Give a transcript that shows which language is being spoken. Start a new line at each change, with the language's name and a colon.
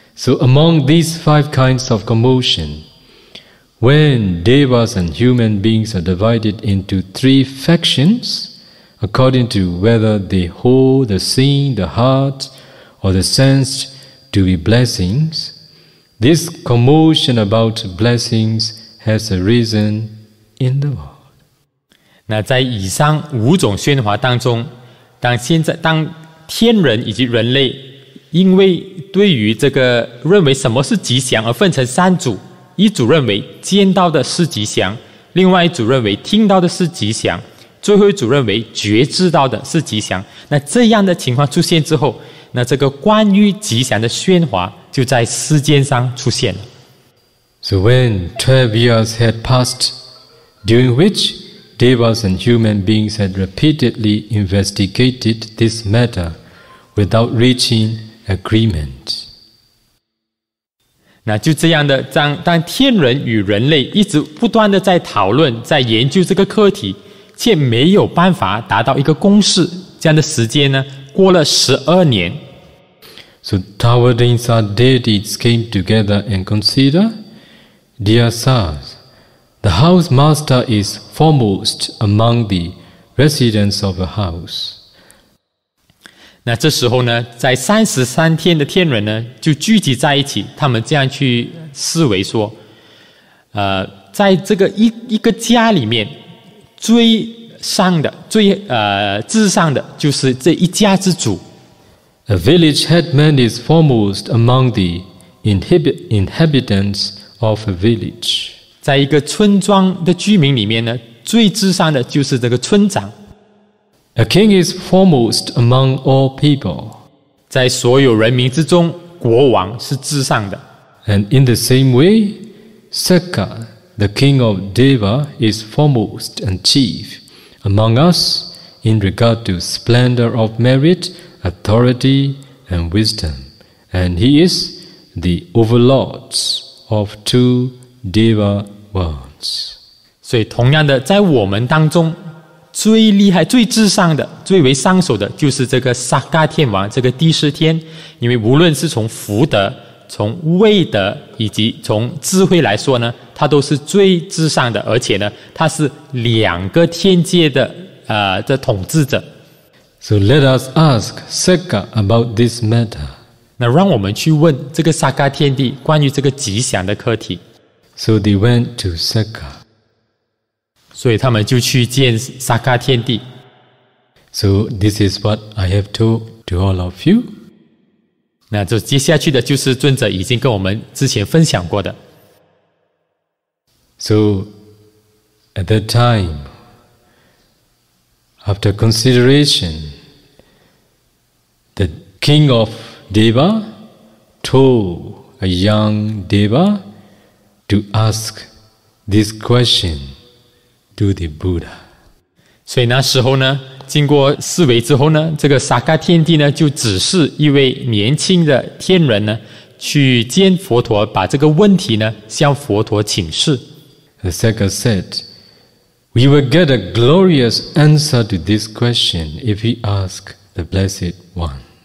English: So among these 5 kinds of commotion, when devas and human beings are divided into 3 factions, according to whether they hold the seeing, the heart,or the sense to be blessings, this commotion about blessings has arisen in the world.
Chinese: 那在以上五种宣华当中，当天人以及人类因为对于这个认为什么是吉祥而分成三组，一组认为见到的是吉祥，另外一组认为听到的是吉祥，最后一组认为觉知到的是吉祥。那这样的情况出现之后，那这个关于吉祥的宣华就在世间上出现了。
English: So when 12 years had passed, during which devas and human beings had repeatedly investigated this matter without reaching agreement.
Chinese: 那就这样的，当天人与人类一直不断的在讨论、在研究这个课题，却没有办法达到一个共识，这样的时间呢，过了12年。
English: So Tawa Dinsa deities came together and consider, Dear Sars, the house master is foremost among the residents of a house.
Chinese: 那这时候呢，在33天的天人呢，就聚集在一起，他们这样去思维说，在这个一个家里面，最上的最至上的就是这一家之主。
English: A village headman is foremost among the inhabitants of a village.
Chinese: 在一个村庄的居民里面呢，最至上的就是这个村长。
English: A king is foremost among all people.
Chinese: 在所有人民之中，国王是至上的。
English: And in the same way, Sekka, the king of Deva, is foremost and chief among us in regard to splendor of merit. Authority and wisdom, and he is the overlord of two Deva worlds.
Chinese: 所以同样的，在我们当中最厉害、最至上的、最为上首的，就是这个萨迦天王，这个第十天。因为无论是从福德、从位德以及从智慧来说呢，他都是最至上的，而且呢，他是两个天界的的统治者。
English: So let us ask Sekka about this matter.
Chinese: 那让我们去问这个萨迦天帝关于这个吉祥的课题。
English: So they went to Sekka.
Chinese: 所以他们就去见萨迦天帝。
English: So this is what I have told to all of you.
Chinese: 那就接下去的就是尊者已经跟我们之前分享过的。
English: So at that time,After consideration, the king of Deva told a young Deva to ask this question to the Buddha.
Chinese: 所以那时候呢，经过思维之后呢，这个萨迦天帝呢就指示一位年轻的天人呢去见佛陀，把这个问题呢向佛陀请示。
English: The Sekka said,We will get a glorious answer to this question if we ask the Blessed One.